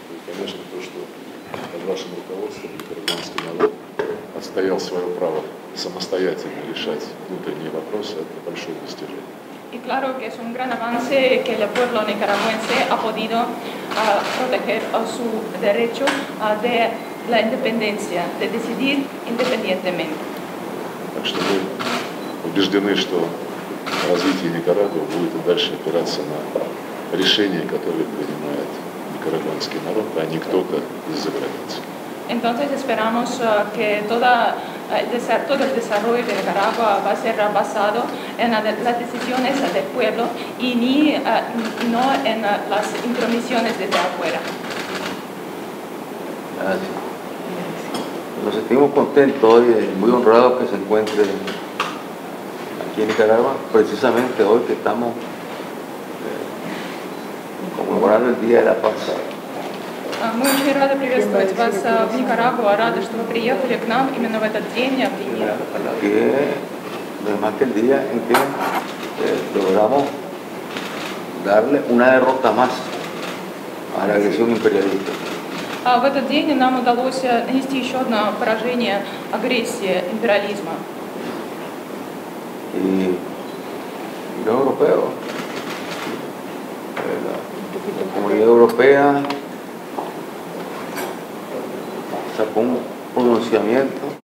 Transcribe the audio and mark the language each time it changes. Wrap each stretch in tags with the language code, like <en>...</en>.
<ru>Конечно, то, что под вашим руководством нигерландский народ отстоял свое право самостоятельно решать внутренние вопросы, это большое достижение.</ru> <es>И claro que es un gran avance que el pueblo nicaragüense ha podido proteger su derecho de la independencia, de decidir independientemente.</es> <ru>Так что мы убеждены, что развитие Никарагуа будет и дальше опираться на решения, которые принимает никарагуанский народ, а не кто-то из-за границы.</ru> <es>Entonces esperamos que todo el desarrollo de Nicaragua va a ser basado en las decisiones del pueblo y no en las intromisiones desde afuera. Gracias. Nos sentimos contentos hoy, muy honrados que se encuentre aquí en Nicaragua, precisamente hoy que estamos conmemorando el Día de la Paz.</es> <ru>Мы очень рады приветствовать вас в Никарагуа, рады, что вы приехали к нам именно в этот день.</ru> <es>Que además que el día en que logramos darle una derrota más a la agresión imperialista.</es> <ru>В этот день нам удалось нанести еще одно поражение агрессии империализма.</ru> <es>И los europeos, la comunidad europea con un pronunciamiento</es>